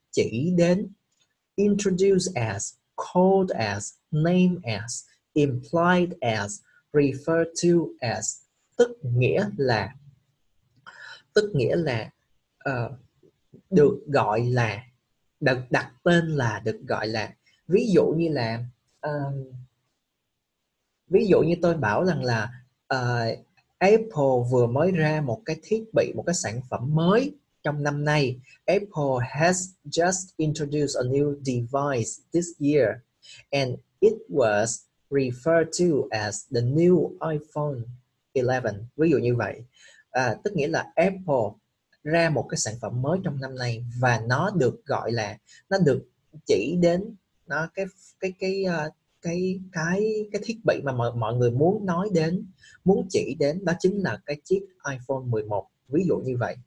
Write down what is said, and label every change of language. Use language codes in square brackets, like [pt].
[vi] Chỉ đến, [en] introduced as, called as, named as, implied as, referred to as, [vi] tức nghĩa là được gọi là, được đặt tên là, được gọi là. Ví dụ như là ví dụ như tôi bảo rằng là Apple vừa mới ra một cái thiết bị, một cái sản phẩm mới trong năm nay. [en] Apple has just introduced a new device this year and it was referred to as the new iPhone 11. [vi] Ví dụ như vậy. Tức nghĩa là Apple ra một cái sản phẩm mới trong năm nay và nó được gọi là, nó được chỉ đến nó cái thiết bị mà mọi người muốn nói đến, muốn chỉ đến, đó chính là cái chiếc iPhone 11. Ví dụ như vậy.